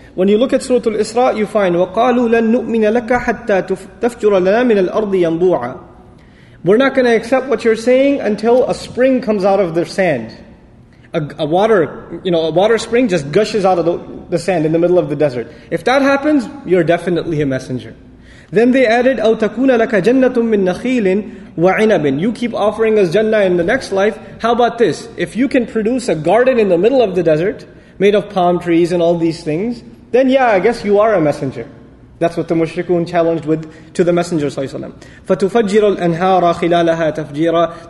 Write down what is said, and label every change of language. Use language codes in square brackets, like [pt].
[en] When you look at Surah Al-Isra, you find, [ar] وَقَالُوا لَن نُؤْمِنَ لَكَ حَتَّى تَفْجُرَ لَنَا مِنَ الْأَرْضِ يَنْبُوعًا [en] We're not going to accept what you're saying until a spring comes out of the sand. A water, you know, a water spring just gushes out of the, the sand in the middle of the desert. If that happens, you're definitely a messenger. Then they added, [ar] أَوْ تَكُونَ لَكَ جَنَّةٌ مِّن نَخِيلٍ وَعِنَبٍ. [en] You keep offering us Jannah in the next life. How about this? If you can produce a garden in the middle of the desert, made of palm trees and all these things, then yeah, I guess you are a messenger. That's what the mushrikun challenged with to the Messenger ﷺ. [ar] فَتُفَجِّرُ الْأَنْهَارَ خِلَالَهَا تَفْجِيرًا.